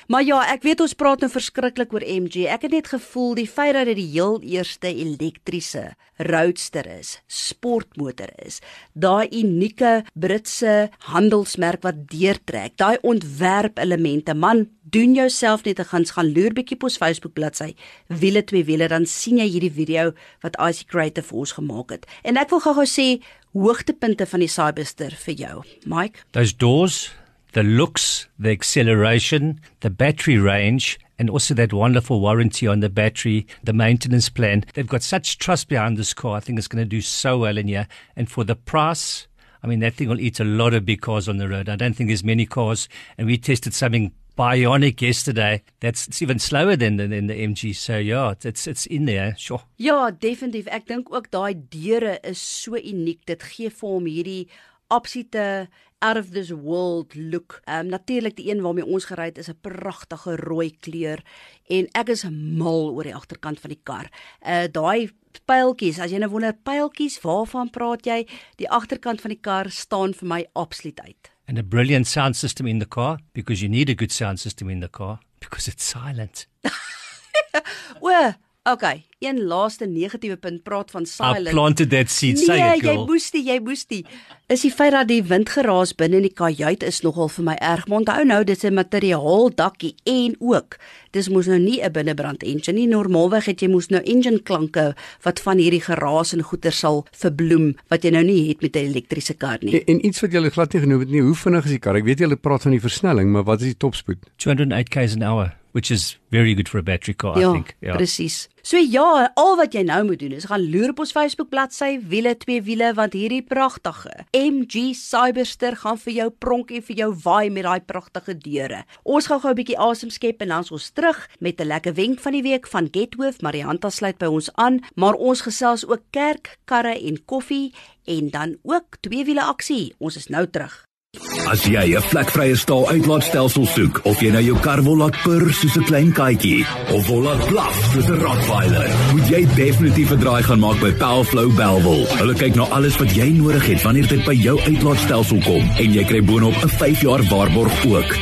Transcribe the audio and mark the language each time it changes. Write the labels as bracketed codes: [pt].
[af] Maar ja, ek weet ons praat nou verskriklik oor MG. Ek het net gevoel die feit dat dit die heel eerste elektriese roadster is, sportmotor is, daai unieke Britse handelsmerk wat deurtrek, daai ontwerpelemente, man, doen jouself net te gaan gaan loer bietjie op ons Facebook bladsy Wiele twee wiele, dan sien jy hierdie video wat Icy Creative vir ons gemaak het. En ek wil gou sê hoogtepunte van die Cybuster vir jou, Mike. [en] Those doors, the looks, the acceleration, the battery range, and also that wonderful warranty on the battery, the maintenance plan. They've got such trust behind this car. I think it's going to do so well in here. And for the price, I mean, that thing will eat a lot of big cars on the road. I don't think there's many cars. And we tested something bionic yesterday. It's even slower than the MG. So yeah, it's in there, sure. Yeah, definitely. [af] Ek dink ook daai deure is so uniek. Dit gee vir hom hierdie absolute [en] out of this world look. [af] Natuurlik die een waarmee ons gery het is 'n pragtige rooi kleur, en ek is mal oor die agterkant van die kar. Daai pijltjies, as jy nou wonder pijltjies, waarvan praat jy? Die agterkant van die kar staan vir my absoluut uit. [en] And a brilliant sound system in the car, because you need a good sound system in the car, because it's silent. Well, okay, [af] een laaste negatiewe punt, praat van silent. [en] I planted that seed, [af] nee, [en] say it, girl. [af] Nee, jy moes die. Is die feit dat die windgeraas binnen in die kajuit is nogal vir my erg, want hou nou, dit is 'n materiaal dakkie, en ook, dis moes nou nie 'n binnenbrand engine nie, normaalweg het jy moes nou engine klanke, wat van hierdie geraas en goeder sal verbloem, wat jy nou nie het met die elektriese kar nie. En iets wat jy glad nie genoem het nie, hoe vinnig is die kar? Ek weet jy praat van die versnelling, maar wat is die topspoed? [en] 208 km an hour. Which is very good for a battery car, [af] ja, [en] I think. [af] Ja, precies. So ja, al wat jy nou moet doen is gaan loer op ons Facebook bladsy Wiele twee wiele, want hierdie pragtige MG Cyberster gaan vir jou pronk en vir jou waai met daai pragtige deure. Ons gaan gou 'n bietjie asem skep en dan ons terug met 'n lekker wenk van die week van Gethoof. Marianta sluit by ons aan, maar ons gesels ook kerk, karre en koffie en dan ook twee wiele aksie. Ons is nou terug. As jy 'n vlekvrye staal uitlaatstelsel soek, of jy nou jou kar wil laat purr soos 'n klein katjie, of wil laat blaf soos 'n Rottweiler, moet jy definitief 'n draai gaan maak by Powerflow Belwel. Hulle kyk na alles wat jy nodig het wanneer dit by jou uitlaatstelsel kom, en jy kry boonop 'n 5 jaar waarborg ook.